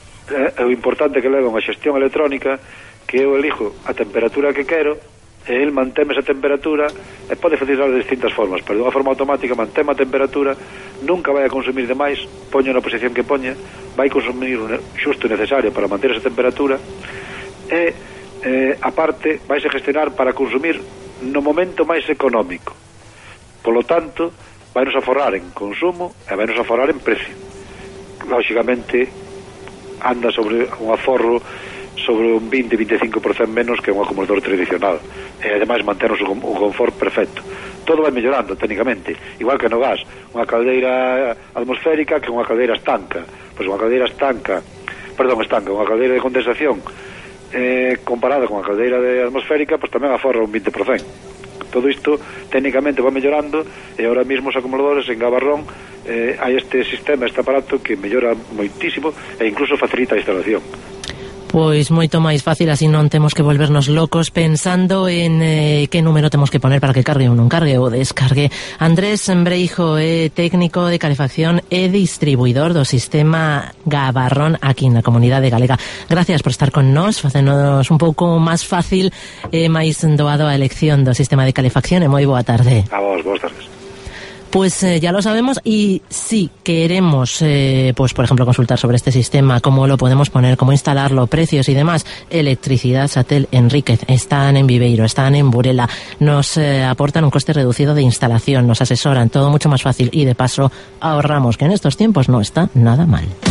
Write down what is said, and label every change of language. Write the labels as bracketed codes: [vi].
[gl] É o importante que leva unha xestión electrónica, que eu elijo a temperatura que quero, e ele mantém esa temperatura, e pode funcionar de distintas formas, pero de unha forma automática mantém a temperatura, nunca vai a consumir demais, poño na posición que poña, vai consumir o xusto necesario para manter esa temperatura, e, aparte, vai se gestionar para consumir no momento máis económico. Polo tanto, vai nos aforrar en consumo e vai nos aforrar en precio. Lógicamente, anda sobre un aforro sobre un 20-25% menos que un acumulador tradicional. E, ademais, mantén un confort perfecto. Todo vai mellorando técnicamente, igual que no gas. Unha caldeira atmosférica que unha caldeira estanca. Pois unha caldeira estanca, unha caldeira de condensación, comparada con a caldeira de atmosférica, pois tamén aforra un 20%. Todo isto técnicamente vai mellorando, e ahora mesmo os acumuladores en Gabarrón hai este sistema, este aparato que mellora moitísimo e incluso facilita a instalación. Pois moito máis fácil, así non temos que volvernos locos pensando en que número temos que poner para que cargue ou non cargue ou descargue. Andrés Breijo é técnico de calefacción e distribuidor do sistema Gabarrón aquí na comunidade galega. Gracias por estar con nós, facéndonos un pouco máis fácil e máis doado a elección do sistema de calefacción, e moi boa tarde. A vos, boas tardes. [es] Pues ya lo sabemos, y si queremos, pues por ejemplo, consultar sobre este sistema, cómo lo podemos poner, cómo instalarlo, precios y demás, Electricidad Satel Enríquez, están en Viveiro, están en Burela, nos aportan un coste reducido de instalación, nos asesoran, todo mucho más fácil, y de paso ahorramos, que en estos tiempos no está nada mal.